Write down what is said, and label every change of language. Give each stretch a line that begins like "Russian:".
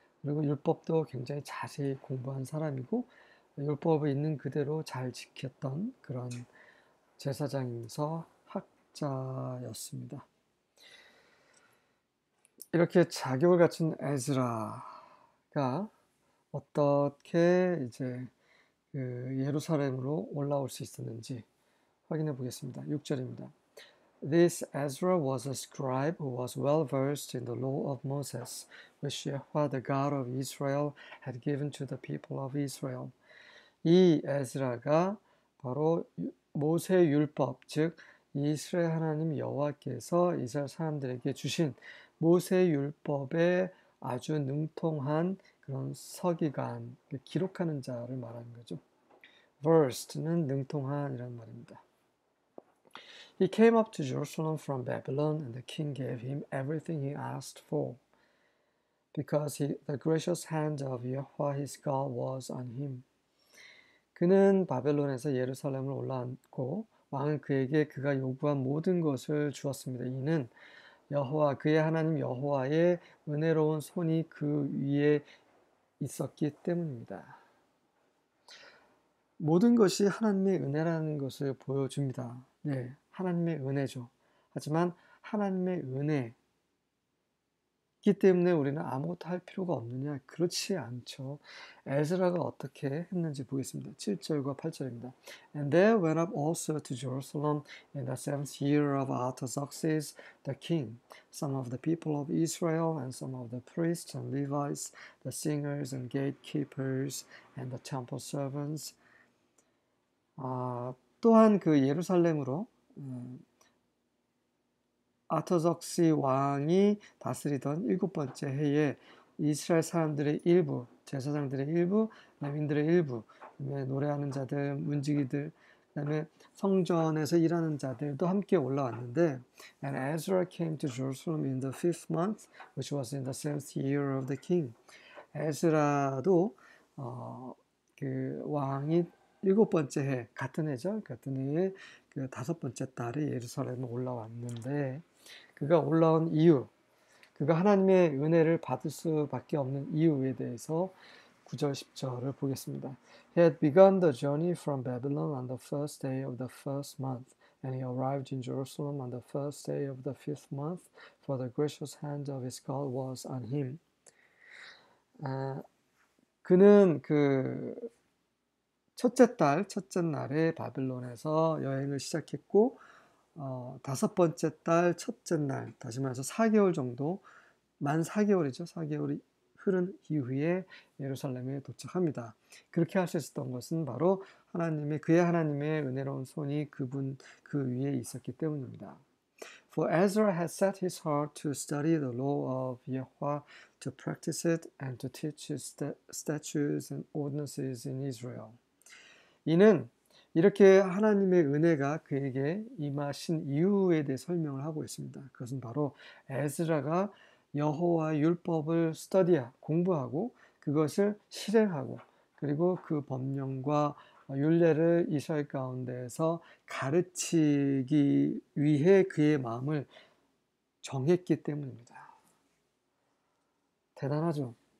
Korean: 그리고 율법도 굉장히 자세히 공부한 사람이고 율법을 있는 그대로 잘 지켰던 그런 제사장이면서 학자였습니다. 이렇게 자격을 갖춘 에스라가 어떻게 이제 예루살렘으로 올라올 수 있었는지 확인해 보겠습니다. 6절입니다.
English: This Ezra was a scribe who was well versed in the law of Moses, which Yehovah, the God of Israel, had given to the people of Israel.
Korean: 이 에스라가 바로 모세 율법, 즉 이스라엘 하나님 여호와께서 이스라엘 사람들에게 주신 모세율법에 아주 능통한 그런 서기관을 기록하는 자를 말하는 거죠. Versed는 능통한이라는 말입니다.
English: He came up to Jerusalem from Babylon, and the king gave him everything he asked for, because the gracious hand of Yahweh his God was on him.
Korean: 그는 바벨론에서 예루살렘을 올라왔고 왕은 그에게 그가 요구한 모든 것을 주었습니다. 이는 여호와 그의 하나님 여호와의 은혜로운 손이 그 위에 있었기 때문입니다. 모든 것이 하나님의 은혜라는 것을 보여줍니다. 네, 하나님의 은혜죠. 하지만 하나님의 은혜이기 때문에 우리는 아무것도 할 필요가 없느냐? 그렇지 않죠. 에스라가 어떻게 했는지 보겠습니다. 7절과 8절입니다.
English: And there went up also to Jerusalem in the seventh year of Artaxerxes the king, some of the people of Israel, and some of the priests and Levites, the singers and gatekeepers, and the temple servants.
Korean: 또한 그 예루살렘으로 아타삭스 왕이 다스리던 일곱 번째 해에 이스라엘 사람들의 일부, 제사장들의 일부, 레위인들의 일부, 그다음에 노래하는 자들, 문지기들, 그다음에 성전에서 일하는 자들도 함께 올라왔는데,
English: And Ezra came to Jerusalem in the fifth month, which was in the seventh year of the king.
Korean: 에스라도 그 왕이 일곱 번째 해, 같은 해죠. 같은 해에 그 다섯 번째 달에 예루살렘에 올라왔는데, 그가 올라온 이유, 그가 하나님의 은혜를 받을 수밖에 없는 이유에 대해서 9절, 10절을 보겠습니다.
English: He had begun the journey from Babylon on the first day of the first month, and he arrived in Jerusalem on the first day of the fifth month, for the gracious hand of his God was on him.
Korean: 그는 그 첫째 달, 첫째 날에 바빌론에서 여행을 시작했고, 다섯 번째 달, 첫째 날, 다시 말해서 4개월 정도, 만 4개월이죠. 4개월이 흐른 이후에 예루살렘에 도착합니다. 그렇게 할수 있었던 것은 바로 하나님의 은혜로운 손이 그분 그 위에 있었기 때문입니다.
English: For Ezra had set his heart to study the law of Yahweh, to practice it, and to teach his statutes and ordinances in Israel.
Korean: 이는 이렇게 하나님의 은혜가 그에게 임하신 이유에 대해 설명을 하고 있습니다. 그것은 바로 에스라가 여호와 율법을 공부하고 그것을 실행하고 그리고 그 법령과 율례를 이스라엘 가운데서 가르치기 위해 그의 마음을 정했기 때문입니다. 대단하죠?